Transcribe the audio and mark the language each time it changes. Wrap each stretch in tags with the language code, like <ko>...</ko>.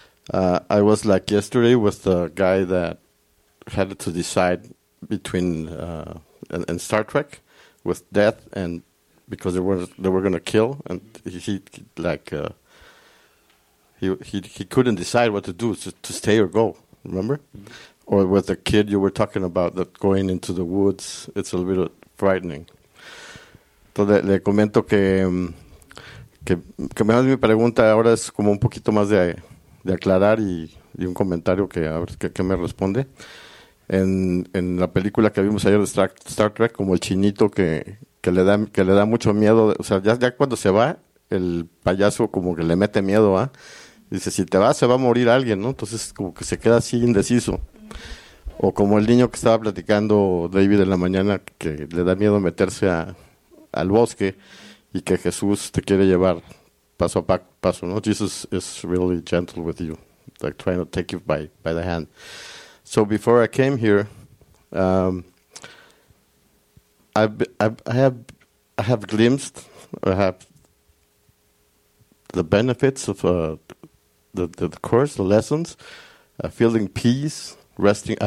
<en>I was like yesterday with the guy that had to decide between and Star Trek with death, and because they were going to kill, and he couldn't decide what to do, to stay or go, remember? Mm-hmm. Or with the kid you were talking about that going into the woods, it's a little bit frightening.</en> <es>Entonces, le comento que mi pregunta ahora es como un poquito más de aclarar y un comentario que a ver qué me responde. En la película que vimos ayer de Star Trek, como el chinito que le da mucho miedo, o sea, ya cuando se va, el payaso como que le mete miedo, ¿ah? Dice, si te vas, se va a morir alguien, ¿no? Entonces, como que se queda así indeciso. O como el niño que estaba platicando David en la mañana, que le da miedo meterse al bosque y que Jesús te quiere llevar paso a paso, ¿no?</es> <en>Jesus is really gentle with you, like trying to take you by the hand. So, before I came here, I have glimpsed, I have the benefits of the course, the lessons, feeling peace, resting.</en>